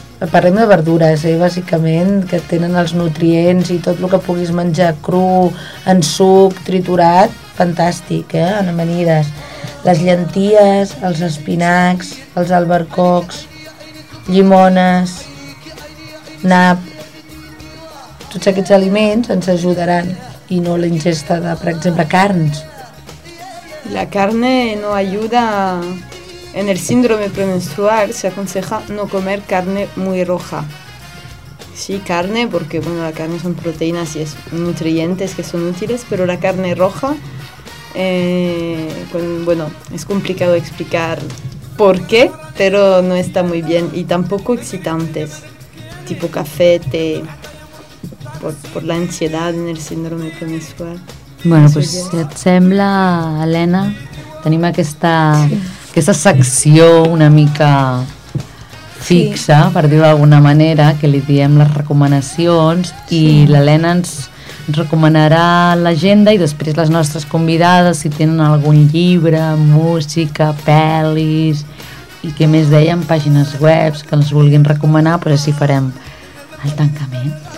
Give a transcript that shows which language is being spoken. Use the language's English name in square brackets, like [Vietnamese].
[Catalan] Parlem de verdures, bàsicament, que tenen els nutrients i tot el que puguis menjar cru, en suc, triturat, fantàstic, en amanides. Les llenties, els espinacs, els albercocs, llimones, nap, tots aquests aliments ens ajudaran, i no la ingesta de, per exemple, carns. [Spanish] La carne no ayuda en el síndrome premenstrual. Se aconseja no comer carne muy roja. Sí, carne, porque bueno, la carne son proteínas y es nutrientes que son útiles, pero la carne roja, es complicado explicar por qué, pero no está muy bien, y tampoco excitantes, tipo café, té, por la ansiedad en el síndrome premenstrual. [Catalan] Bueno, pues si et sembla, Helena, tenim aquesta secció una mica fixa, sí, per dir-ho d'alguna manera, que li diem les recomanacions, sí. I l'Helena ens recomanarà l'agenda, i després les nostres convidades, si tenen algun llibre, música, pel·lis, i què més dèiem, pàgines web que ens vulguin recomanar, doncs així farem el tancament.